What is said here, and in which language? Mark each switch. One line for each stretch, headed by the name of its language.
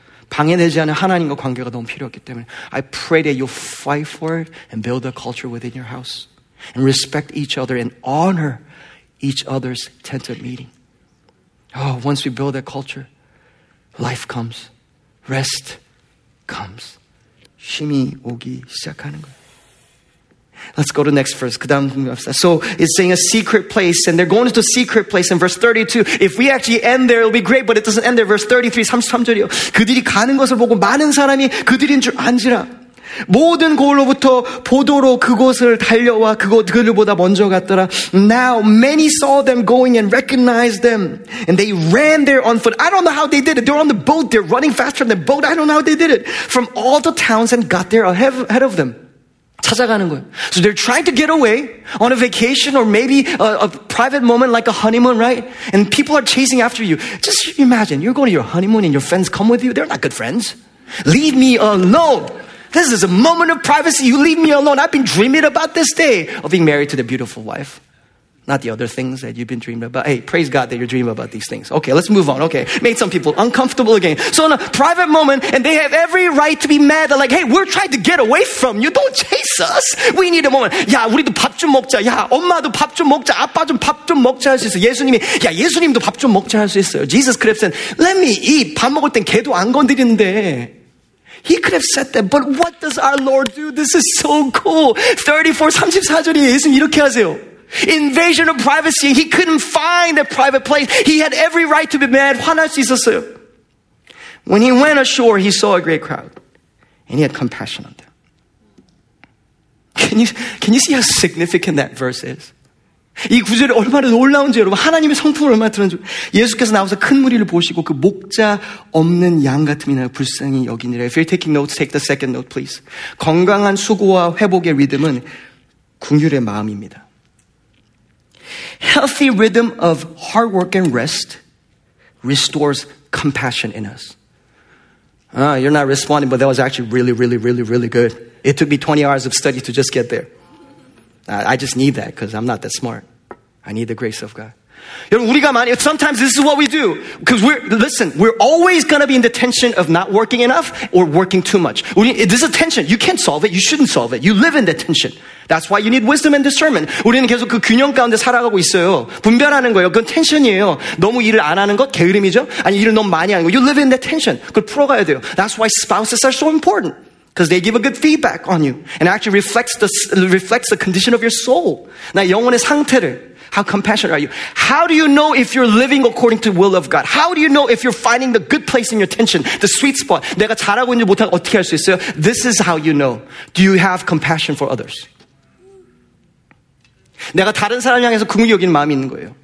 Korean: 방해되지 않은 하나님과 관계가 너무 필요했기 때문에
English: I pray that you'll fight for it and build a culture within your house and respect each other and honor each other's tent of meeting. Oh, once we build that culture, life comes, rest comes.
Korean: 쉼이 오기 시작하는 거예요.
English: Let's go to the next verse. So it's saying a secret place, and they're going into a secret place in verse 32. If we actually end there, it'll be great, but it doesn't end there. Verse 33,
Korean: 33절이요. 그들이 가는 것을 보고 많은 사람이 그들인 줄 안지라. 모든 고을로부터 보도로 그곳을 달려와 그곳 그들보다 먼저 갔더라.
English: Now many saw them going and recognized them, and they ran there on foot. I don't know how they did it. They're on the boat. They're running faster than the boat. I don't know how they did it. From all the towns and got there ahead of them.
Korean: 찾아가는 거예요.
English: So they're trying to get away on a vacation or maybe a private moment like a honeymoon, right? And people are chasing after you. Just imagine, you're going to your honeymoon and your friends come with you. They're not good friends. Leave me alone. This is a moment of privacy. You leave me alone. I've been dreaming about this day of being married to the beautiful wife. Not the other things that you've been dreaming about. Hey, praise God that you're dreaming about these things. Okay, let's move on. Okay, made some people uncomfortable again. So in a private moment, and they have every right to be mad. They're like, hey, we're trying to get away from you. Don't chase us. We need a moment.
Korean: 야, 우리도 밥 좀 먹자. 야, 엄마도 밥 좀 먹자. 아빠 좀 밥 좀 먹자 할 수 있어. 예수님이, 야, 예수님도 밥 좀 먹자 할 수 있어요.
English: Jesus could have said, let me eat.
Korean: 밥 먹을 땐 걔도 안 건드리는데.
English: He could have said that. But what does our Lord do? This is so cool.
Korean: 34, 34절이 예수님 이렇게 하세요.
English: Invasion of privacy. He couldn't find a private place. He had every right to be mad.
Korean: 화날 수 있었어요.
English: When he went ashore, he saw a great crowd, and he had compassion on them. Can you see how significant that verse is?
Korean: 이 구절이 얼마나 놀라운지 여러분, 하나님의 성품을 얼마나 드러내는지. 예수께서 나와서 큰 무리를 보시고 그 목자 없는 양 같은 이나 불쌍히 여기니라.
English: If you're taking notes, take the second note, please.
Korean: 건강한 수고와 회복의 리듬은 긍휼의 마음입니다.
English: Healthy rhythm of hard work and rest restores compassion in us. You're not responding, but that was actually really, really, really, really good. It took me 20 hours of study to just get there. I just need that because I'm not that smart. I need the grace of God. Sometimes this is what we do. Because we're always going to be in the tension of not working enough or working too much. This is a tension. You can't solve it. You shouldn't solve it. You live in the tension. That's why you need wisdom and discernment.
Korean: 우리는 계속 그 균형 가운데 살아가고 있어요. 분별하는 거예요. 그건 텐션이에요. 너무 일을 안 하는 것 게으름이죠. 아니 일을 너무 많이 하는 거.
English: You live in the tension.
Korean: 그걸 풀어가야 돼요.
English: That's why spouses are so important. Because they give a good feedback on you. And actually reflects the condition of your soul.
Korean: 나 영혼의 상태를.
English: How compassionate are you? How do you know if you're living according to the will of God? How do you know if you're finding the good place in your tension, the sweet spot?
Korean: 내가 잘하고 있는지 못하고 어떻게 할 수 있어요?
English: This is how you know. Do you have compassion for others?
Korean: 내가 다른 사람 향해서 긍휼히 여기는 마음이 있는 거예요.